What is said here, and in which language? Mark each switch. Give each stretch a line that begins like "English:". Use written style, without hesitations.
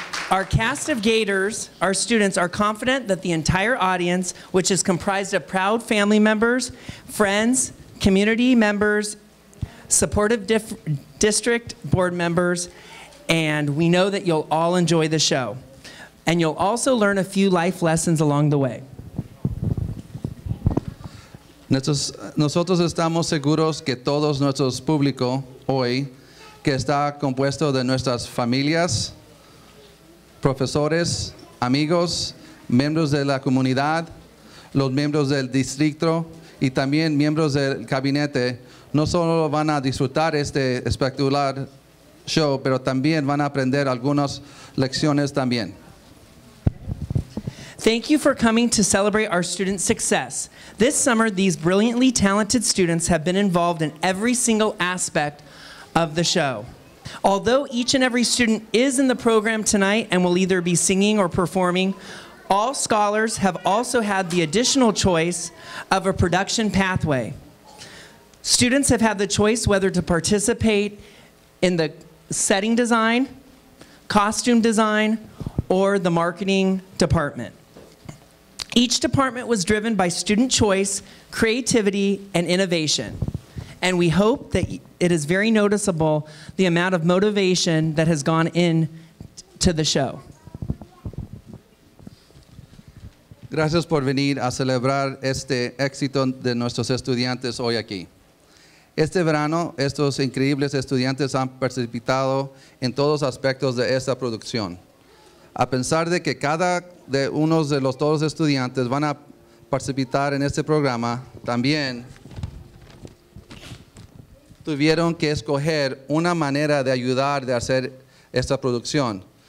English: Our cast of Gators, our students, are confident that the entire audience, which is comprised of proud family members, friends, community members, supportive district board members, and we know that you'll all enjoy the show. And you'll also learn a few life lessons along the way.
Spanish: Nosotros estamos seguros que todo nuestro público hoy, que está compuesto de nuestras familias, profesores, amigos, miembros de la comunidad, los miembros del distrito y también miembros del gabinete, no solo van a disfrutar este espectacular show, pero también van a aprender algunas lecciones también.
English: Thank you for coming to celebrate our student success. This summer, these brilliantly talented students have been involved in every single aspect of the show. Although each and every student is in the program tonight and will either be singing or performing, all scholars have also had the additional choice of a production pathway. Students have had the choice whether to participate in the setting design, costume design, or the marketing department. Each department was driven by student choice, creativity, and innovation. And we hope that it is very noticeable the amount of motivation that has gone into the show.
Spanish: Gracias por venir a celebrar este éxito de nuestros estudiantes hoy aquí. Este verano, estos increíbles estudiantes han participado en todos aspectos de esta producción. A pesar de que cada de unos de los todos estudiantes van a participar en este programa, también tuvieron que escoger una manera de ayudar de hacer esta producción.